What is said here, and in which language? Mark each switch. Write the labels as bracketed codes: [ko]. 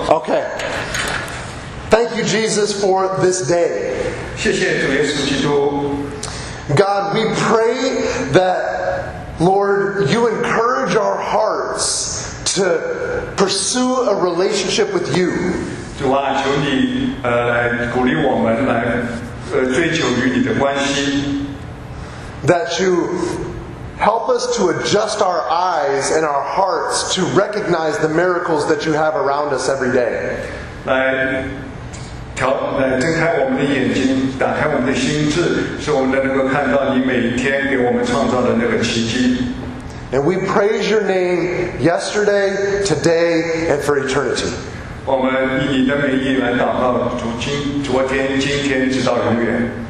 [en] Okay. Thank you, Jesus, for this day. [zh] 谢谢主耶稣基督。 [en] God, we pray that, Lord, you encourage our hearts to pursue a relationship with you. [zh] 主啊，求你来鼓励我们来追求与你的关系。 [en] That you help us to adjust our eyes and our hearts to recognize the miracles that you have around us every day. [zh] 来睁开我们的眼睛，打开我们的心智，使我们能够看到你每天给我们创造的那个奇迹。 [en] And we praise your name yesterday, today, and for eternity. [zh] 我们以你的名义来祷告，昨天、今天，直到永远。